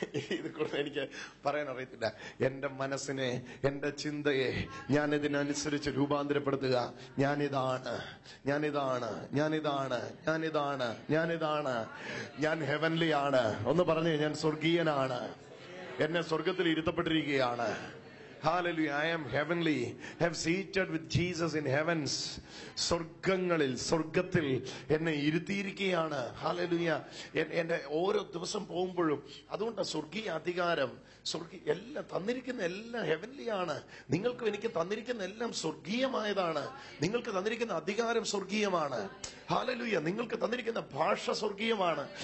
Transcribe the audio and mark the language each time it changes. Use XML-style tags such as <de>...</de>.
<ml>ഇത് കൂടുതൽ എനിക്ക് പറയാനറിയത്തില്ല. എന്റെ മനസ്സിനെ, എന്റെ ചിന്തയെ ഞാനിതിനനുസരിച്ച് രൂപാന്തരപ്പെടുത്തുക. ഞാനിതാണ്, ഞാനിതാണ്, ഞാനിതാണ്, ഞാനിതാണ്, ഞാനിതാണ്. ഞാൻ ഹെവൻലി ആണ്. ഒന്ന് പറഞ്ഞേ, ഞാൻ സ്വർഗീയനാണ്. എന്നെ സ്വർഗത്തിൽ ഇരുത്തപ്പെട്ടിരിക്കുകയാണ്.</ml> <en>Hallelujah, I am heavenly, have seated with Jesus in heavens.</en> <ml>സ്വർഗങ്ങളിൽ, സ്വർഗത്തിൽ എന്നെ ഇരുത്തിയിരിക്കുകയാണ്. Hallelujah, എന്റെ ഓരോ ദിവസം പോകുമ്പോഴും അതുകൊണ്ടാണ് സ്വർഗീയ അധികാരം. സ്വർഗീയ എല്ലാം തന്നിരിക്കുന്ന എല്ലാം ഹെവൻലി ആണ്. നിങ്ങൾക്കും എനിക്ക് തന്നിരിക്കുന്ന എല്ലാം സ്വർഗീയമായതാണ്. നിങ്ങൾക്ക് തന്നിരിക്കുന്ന അധികാരം സ്വർഗീയമാണ്. Hallelujah, നിങ്ങൾക്ക് തന്നിരിക്കുന്ന ഭാഷ സ്വർഗീയമാണ്.</ml>